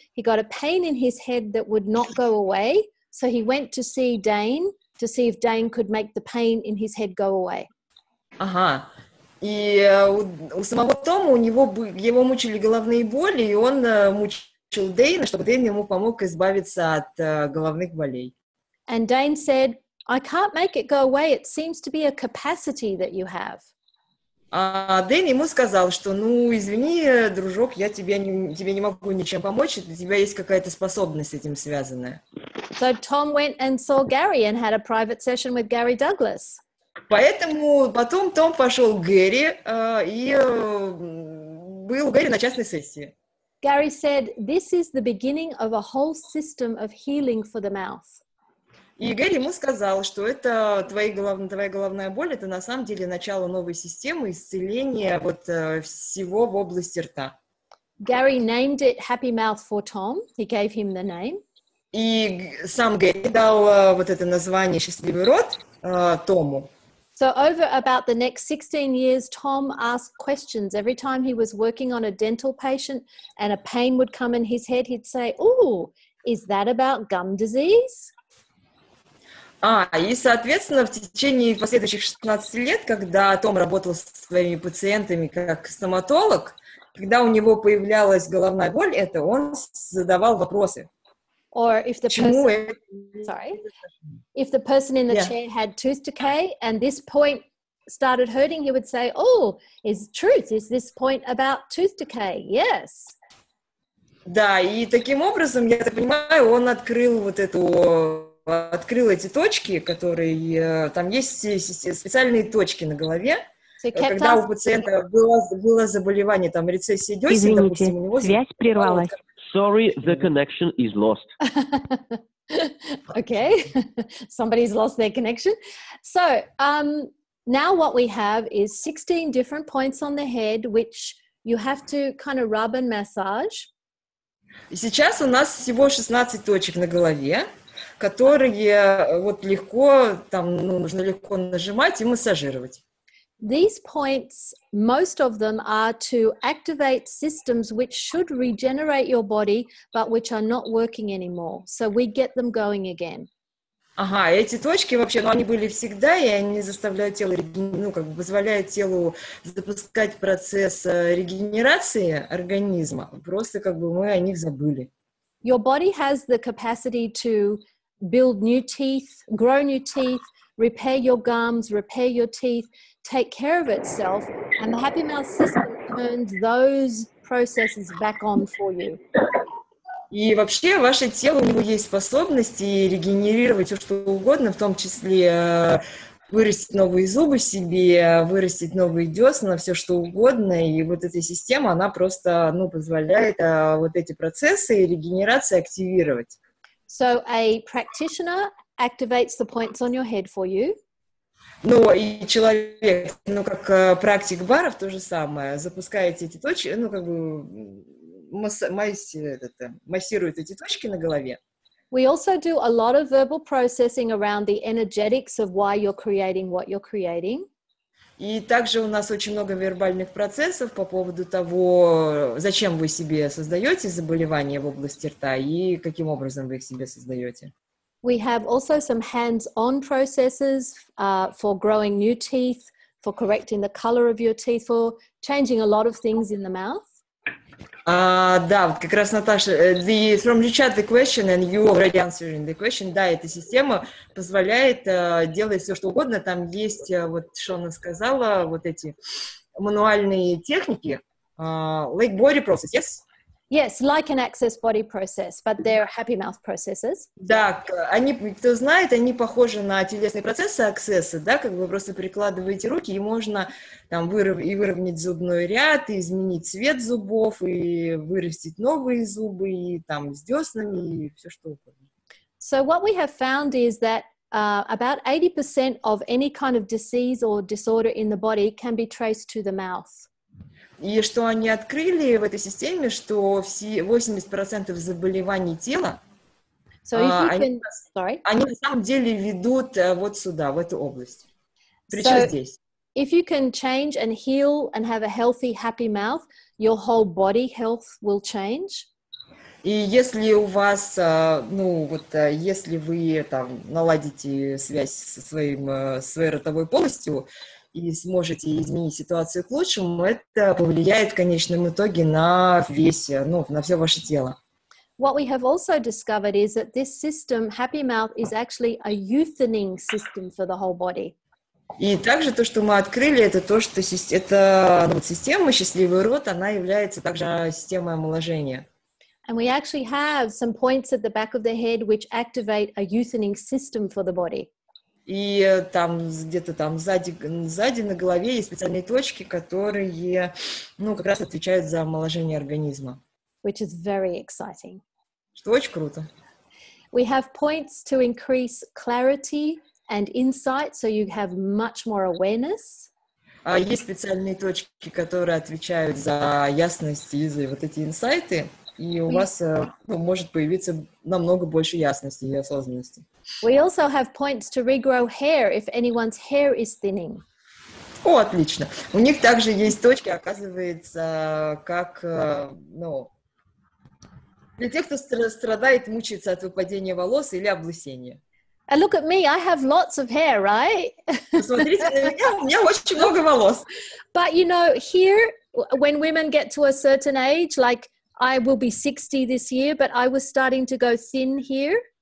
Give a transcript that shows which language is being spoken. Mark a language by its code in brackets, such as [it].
[en] He got a pain in his head that would not go away. So he went to see Dane to see if Dane could make the pain in his head go away. [ru] Ага. И у самого Тома, у него его мучили головные боли, и он мучил Дэйна, чтобы Дэйн ему помог избавиться от головных болей. [en] And Dane said, I can't make it go away. It seems to be a capacity that you have. [ru] Дэн ему сказал, что, ну, извини, дружок, я тебе не могу ничем помочь. У тебя есть какая-то способность с этим связанная. [en] So Tom went and saw Gary and had a private session with Gary Douglas. [ru] Поэтому потом Том пошел к Гэри и был у Гэри на частной сессии. [en] Gary said, "This is the beginning of a whole system of healing for the mouth." [ru] И Гэри ему сказал, что это твоя головная боль, это на самом деле начало новой системы исцеления вот всего в области рта. [en] Gary named it Happy Mouth for Tom. He gave him the name. [ru] И сам Гэри дал вот это название «Счастливый рот» Тому. [en] So over about the next 16 years, Tom asked questions. Every time he was working on a dental patient and a pain would come in his head, he'd say, "Ooh, is that about gum disease?" [ru] А, и, соответственно, в течение последующих 16 лет, когда Том работал со своими пациентами как стоматолог, когда у него появлялась головная боль, это он задавал вопросы. [en] Or if the person in the chair had tooth decay and this point started hurting, he would say, "Oh, is this point about tooth decay? Yes." [ru] Да, и таким образом, я так понимаю, он открыл вот эту, открыл эти точки, которые там есть специальные точки на голове. Когда у пациента было заболевание, там рецессия десен, допустим, у него связь прервалась. [en] Sorry, the connection is lost. Okay, somebody's lost their connection. So now what we have is 16 different points on the head, which you have to kind of rub and massage. [ru] И сейчас у нас всего 16 точек на голове, которые вот легко, там, ну, нужно легко нажимать и массажировать. [en] These points, most of them are to activate systems which should regenerate your body, but which are not working anymore. So we get them going again. [ru] Ага, эти точки вообще, ну, они были всегда, и они заставляют тело, ну, как бы позволяют телу запускать процесс регенерации организма. Просто как бы мы о них забыли. [en] Your body has the capacity to build new teeth, grow new teeth, repair your gums, repair your teeth, take care of itself, and the Happy Mouth system turns those processes back on for you. [ru] И вообще ваше тело, у него есть способность регенерировать все, что угодно, в том числе вырастить новые зубы себе, вырастить новые десна, все что угодно, и вот эта система, она просто, ну, позволяет вот эти процессы регенерации активировать. [en] So a practitioner activates the points on your head for you. [ru] Ну, и человек, ну, как практик баров, то же самое, запускает эти точки, ну, как бы массирует эти точки на голове. [en] We also do a lot of verbal processing around the energetics of why you're creating what you're creating. [ru] И также у нас очень много вербальных процессов по поводу того, зачем вы себе создаете заболевания в области рта и каким образом вы их себе создаете. [en] We have also some hands-on processes for growing new teeth, for correcting the color of your teeth, for changing a lot of things in the mouth. [ru] Да, вот как раз Наташа, [en] from the chat the question and you already answering the question. [ru] Да, эта система позволяет делать все, что угодно. Там есть, вот что она сказала, вот эти мануальные техники, [en] like body process, yes? Yes, like an access body process, but they're happy mouth processes. [ru] Да, они, кто знает, они похожи на телесные процессы аксесса, да, как вы просто прикладываете руки, и можно там выровнять зубной ряд, и изменить цвет зубов, и вырастить новые зубы, и там с деснами, и все что угодно. [en] So what we have found is that about 80% of any kind of disease or disorder in the body can be traced to the mouth. [ru] И что они открыли в этой системе, что все 80% заболеваний тела, они на самом деле ведут вот сюда, в эту область. Причем здесь. [en] If you can change and heal and have a healthy, happy mouth, your whole body health will change. [ru] И если у вас, ну вот, если вы там наладите связь со своей ротовой полостью, и сможете изменить ситуацию к лучшему, это повлияет в конечном итоге на весь, ну, на все ваше тело. [en] What we have also discovered is that this system, Happy Mouth, is actually a euthanizing system for the whole body. [ru] И также то, что мы открыли, это то, что система, ну, вот система «Счастливый рот», она является также системой омоложения. [en] And we actually have some points at the back of the head which activate a euthanic system for the body. [ru] И там где-то там сзади на голове есть специальные точки, которые, ну, как раз отвечают за омоложение организма. [en] Which is very exciting. [ru] Что очень круто. [en] We have points to increase clarity and insight, so you have much more awareness. [ru] А есть специальные точки, которые отвечают за ясность и за вот эти инсайты, и у вас может появиться намного больше ясности и осознанности. [en] We also have points to regrow hair if anyone's hair is thinning. [ru] О, отлично. У них также есть точки, оказывается, как, ну, для тех, кто страдает, мучается от выпадения волос или облысения. [en] And look at me, I have lots of hair, right? [ru] Посмотрите на меня, у меня очень много волос. [en] But you know, here, when women get to a certain age, like I will be 60 this year, but I was starting to go thin here.